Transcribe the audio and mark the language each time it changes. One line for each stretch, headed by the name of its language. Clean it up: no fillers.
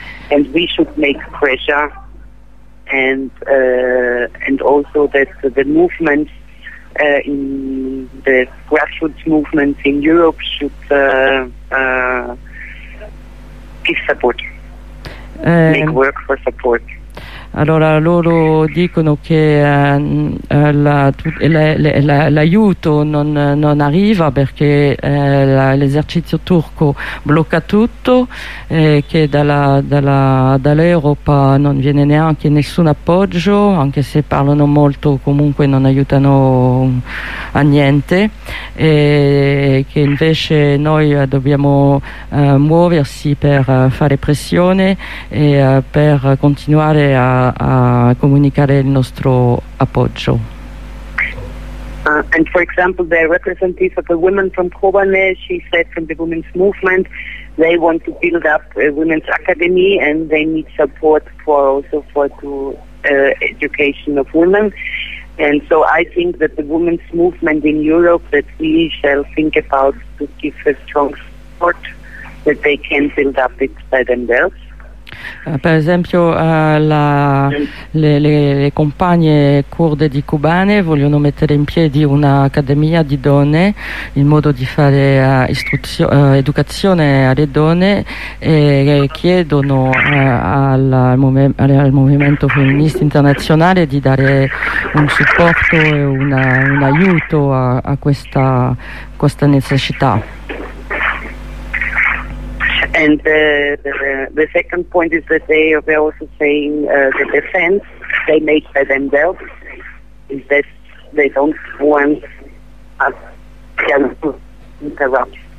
English: And we should make pressure, and also that the movement in the grassroots movement in Europe should give support, make work for support.
Italian: Allora loro dicono che l'aiuto non arriva perché l'esercito turco blocca tutto e che dall'Europa non viene neanche nessun appoggio, anche se parlano molto comunque non aiutano a niente, e che invece noi dobbiamo muoversi per fare pressione e per continuare a comunicare il nostro appoggio.
English: And for example, the representative of the women from Kobane, she said from the women's movement, they want to build up a women's academy and they need support for education of women. And so I think that the women's movement in Europe, that we shall think about to give a strong support that they can build up it by themselves.
Italian: Per esempio le compagne curde di Kobane vogliono mettere in piedi un'accademia di donne in modo di fare educazione alle donne, e chiedono al movimento femminista internazionale di dare un supporto e un aiuto a questa necessità.
English: And the second point is that they are also saying the defense they make by themselves is that they don't want us to interrupt.